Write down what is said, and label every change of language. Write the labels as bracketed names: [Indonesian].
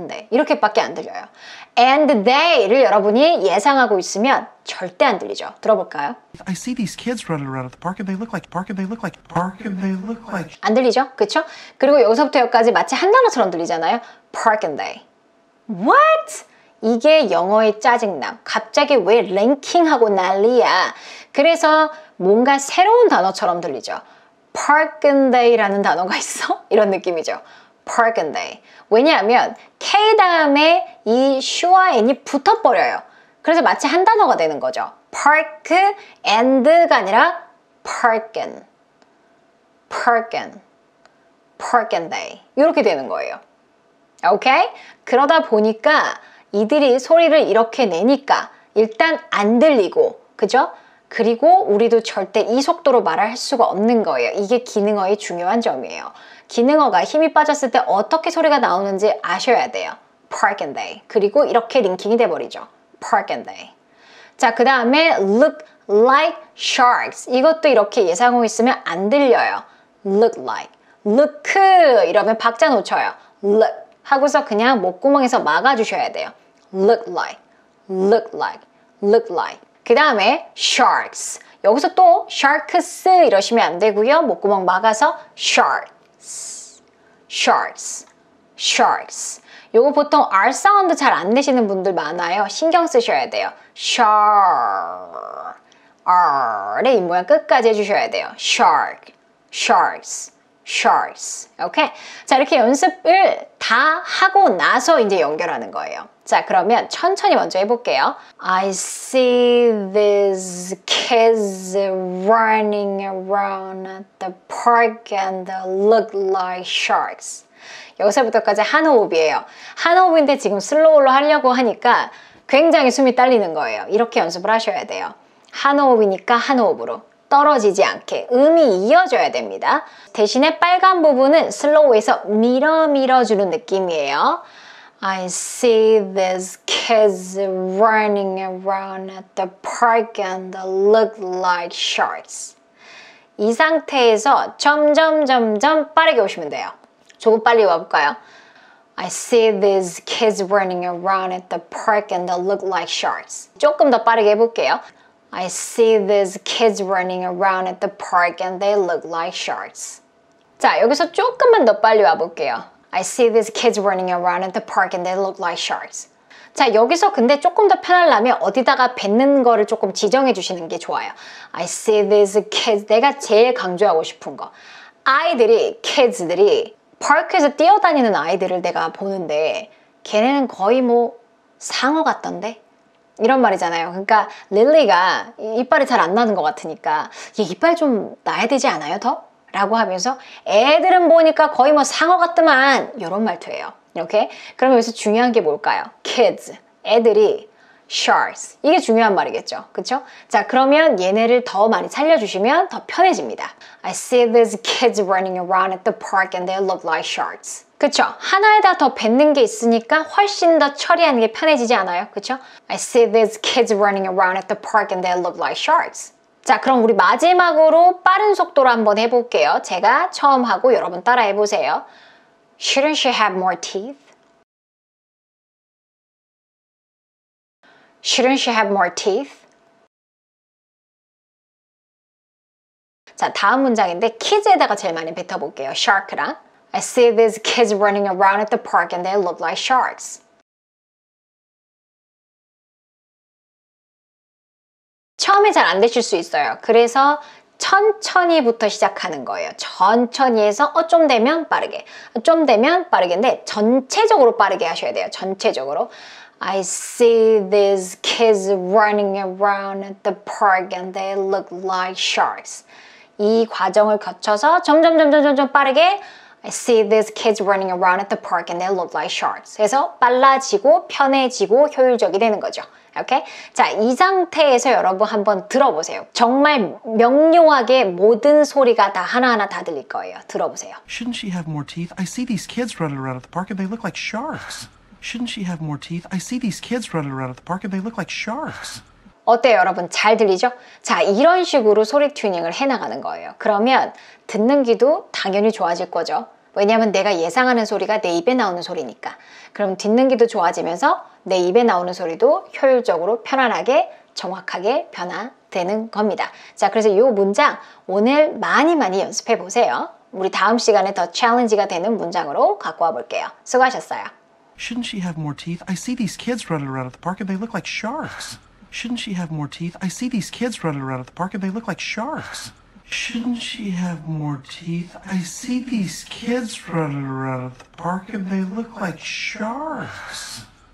[Korean] 이렇게밖에 안 들려요. [English] And they [Korean] 를 여러분이 예상하고 있으면 절대 안 들리죠. 들어볼까요? [English] I see these kids running around at the park and they look like park and they look like park and they look like [Korean] 안 들리죠? 그렇죠? 그리고 여기서부터 여기까지 마치 한 단어처럼 들리잖아요. [English] Park and they. What? [Korean] 이게 영어의 짜증남. 갑자기 왜 랭킹하고 난리야. 그래서 뭔가 새로운 단어처럼 들리죠. [English] Park and day라는 [Korean] 단어가 있어? 이런 느낌이죠. [English] Park and day. [Korean] 왜냐하면 K 다음에 이 슈와 N이 붙어버려요. 그래서 마치 한 단어가 되는 거죠. [English] Park and가 [Korean] 아니라 [English] Park and. Park and. Park and day. [Korean] 이렇게 되는 거예요. 오케이? 그러다 보니까 이들이 소리를 이렇게 내니까 일단 안 들리고, 그죠? 그리고 우리도 절대 이 속도로 말을 할 수가 없는 거예요. 이게 기능어의 중요한 점이에요. 기능어가 힘이 빠졌을 때 어떻게 소리가 나오는지 아셔야 돼요. [English] Park and day. [Korean] 그리고 이렇게 링킹이 돼버리죠. [English] Park and day. [Korean] 자, 그 다음에 [English] look like sharks. [Korean] 이것도 이렇게 예상하고 있으면 안 들려요. [English] Look like. Look. [Korean] 이러면 박자 놓쳐요. [English] Look. [Korean] 하고서 그냥 목구멍에서 막아주셔야 돼요. [English] Look like, look like, look like. [Korean] 그 다음에 sharks. 여기서 또 sharks 이러시면 안 되고요. 목구멍 막아서 [English] sharks, sharks, sharks. [Korean] 요거 보통 R 사운드 잘 안 내시는 분들 많아요. 신경 쓰셔야 돼요. Shark, R의 입모양 끝까지 해주셔야 돼요. [English] Shark, sharks. Sharks. Okay. [Korean] 자, 이렇게 연습을 다 하고 나서 이제 연결하는 거예요. 자, 그러면 천천히 먼저 해볼게요. [English] I see these kids running around at the park and they look like sharks. [Korean] 여기서부터까지 한 호흡이에요. 한 호흡인데 지금 슬로우로 하려고 하니까 굉장히 숨이 딸리는 거예요. 이렇게 연습을 하셔야 돼요. 한 호흡이니까 한 호흡으로. 떨어지지 않게 음이 이어져야 됩니다. 대신에 빨간 부분은 슬로우에서 밀어주는 느낌이에요. [English] I see these kids running around at the park and they look like sharks. [Korean] 이 상태에서 점점 빠르게 오시면 돼요. 조금 빨리 와볼까요? [English] I see these kids running around at the park and they look like sharks. [Korean] 조금 더 빠르게 해볼게요. [English] I see these kids running around at the park and they look like sharks. [Korean] 자, 여기서 조금만 더 빨리 와볼게요. [English] I see these kids running around at the park and they look like sharks. [Korean] 자, 여기서 근데 조금 더 편하려면 어디다가 뱉는 거를 조금 지정해 주시는 게 좋아요. [English] I see these kids. [Korean] 내가 제일 강조하고 싶은 거. 아이들이, kids들이 파크에서 뛰어다니는 아이들을 내가 보는데 걔네는 거의 뭐 상어 같던데? 이런 말이잖아요. 그러니까 릴리가 이빨이 잘 안 나는 것 같으니까 얘 이빨 좀 놔야 되지 않아요? 더? 라고 하면서 애들은 보니까 거의 뭐 상어 같더만 이런 말투예요. 이렇게? 그러면 여기서 중요한 게 뭘까요? [English] Kids, [Korean] 애들이 [English] sharks. [Korean] 이게 중요한 말이겠죠. 그쵸? 자, 그러면 얘네를 더 많이 살려주시면 더 편해집니다. [English] I see these kids running around at the park and they look like sharks. [Korean] 그쵸? 하나에다 더 뱉는 게 있으니까 훨씬 더 처리하는 게 편해지지 않아요? 그쵸? [English] I see these kids running around at the park and they look like sharks. [Korean] 자, 그럼 우리 마지막으로 빠른 속도로 한번 해볼게요. 제가 처음 하고 여러분 따라 해보세요. [English] Shouldn't she have more teeth? Shouldn't she have more teeth? [Korean] 자, 다음 문장인데 kids에다가 제일 많이 뱉어볼게요. shark랑. [English] I see these kids running around at the park and they look like sharks. [Korean] 처음에 잘 안 되실 수 있어요. 그래서 천천히부터 시작하는 거예요. 천천히 해서 좀 되면 빠르게, 좀 되면 빠르게인데 전체적으로 빠르게 하셔야 돼요. 전체적으로. [English] I see these kids running around at the park and they look like sharks. [Korean] 이 과정을 거쳐서 점점 빠르게 [English] I see these kids running around at the park and they look like sharks. [Korean] 해서 빨라지고 편해지고 효율적이 되는 거죠. 오케이? 자, 이 상태에서 여러분 한번 들어보세요. 정말 명료하게 모든 소리가 다 하나하나 다 들릴 거예요. 들어보세요. [English] Shouldn't she have more teeth? I see these kids running around at the park and they look like sharks. Shouldn't she have more teeth? I see these kids running around at the park and they look like sharks. [Korean] 어때요, 여러분? 잘 들리죠? 자, 이런 식으로 소리 튜닝을 해나가는 거예요. 그러면 듣는 귀도 당연히 좋아질 거죠. 왜냐하면 내가 예상하는 소리가 내 입에 나오는 소리니까. 그럼 듣는 귀도 좋아지면서 내 입에 나오는 소리도 효율적으로 편안하게 정확하게 변화되는 겁니다. 자, 그래서 이 문장 오늘 많이 많이 연습해 보세요. 우리 다음 시간에 더 챌린지가 되는 문장으로 갖고 와 볼게요. 수고하셨어요. [English] Shouldn't she have more teeth? I see these kids running around at the park and they look like sharks. Shouldn't she have more teeth? I see these kids running around at the park and they look like sharks. Shouldn't she have more teeth? I see these kids running around at the park and they look like sharks.